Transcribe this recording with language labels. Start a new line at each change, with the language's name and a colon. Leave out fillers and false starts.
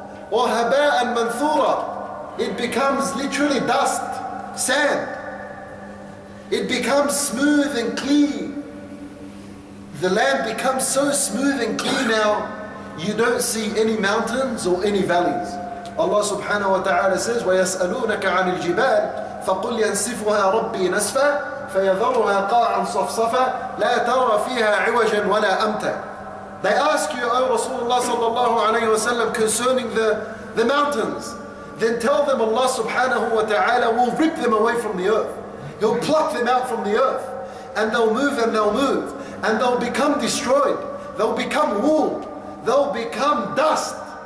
Arabic: وهباء منثورة.
English: It becomes literally dust, sand. It becomes smooth and clean. The land becomes so smooth and clean now, you don't see any mountains or any valleys. Allah subhanahu wa ta'ala says,
Arabic: وَيَسْأَلُونَكَ عَنِ الْجِبَالِ فَقُلْ يَنْسِفُهَا رَبِّي نَسْفًا فَيَذَرُهَا قَاعًا صَفْصَفًا لَا تَرَى فِيهَا عِوَجًا وَلَا أَمْتًا.
English: They ask you, O Rasulullah sallallahu alayhi wa sallam, concerning the mountains. Then tell them Allah subhanahu wa ta'ala will rip them away from the earth. He'll pluck them out from the earth. And they'll move and they'll move. And they'll become destroyed. They'll become wool. They'll become dust.